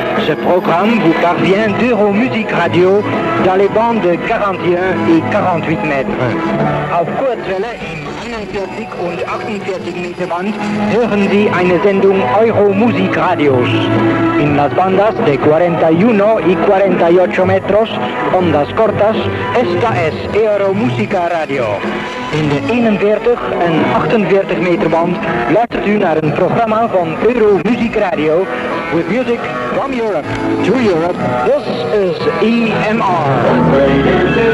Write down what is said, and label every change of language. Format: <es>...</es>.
<fr>Ce programme vous parvient d'Euro Music Radio dans les bandes de 41 et 48 mètres.</fr> <de>Auf Kurzwelle in 41 und 48 meter band hören Sie eine Sendung Euro Music Radios.</de> <es>In las bandas de 41 y 48 metros, ondas cortas, esta es Euro Music Radio.</es> <nl>In de 41 en 48 meter band luistert u naar een programma van Euro Music Radio</nl> <en>with music from Europe to Europe. This is EMR.</en>